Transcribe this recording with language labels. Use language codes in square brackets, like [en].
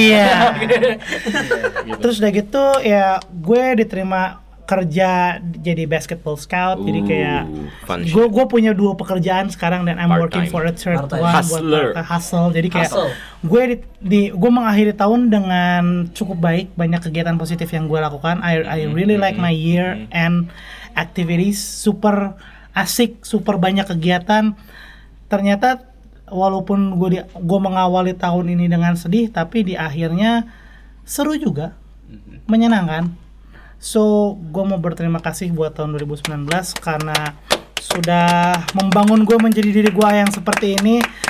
[id] Iya. Yeah. Gitu. Terus udah gitu ya gue diterima kerja jadi basketball scout. Ooh, jadi kayak gue punya 2 pekerjaan sekarang dan [en] I'm working for a third one [id] buat hustle. Jadi kayak gue di gue mengakhiri tahun dengan cukup baik, banyak kegiatan positif yang gue lakukan. [en] I really like my year and activities, [id] super asik, super banyak kegiatan. Ternyata walaupun gue mengawali tahun ini dengan sedih, tapi di akhirnya seru juga, menyenangkan. So, gue mau berterima kasih buat tahun 2019 karena sudah membangun gue menjadi diri gue yang seperti ini.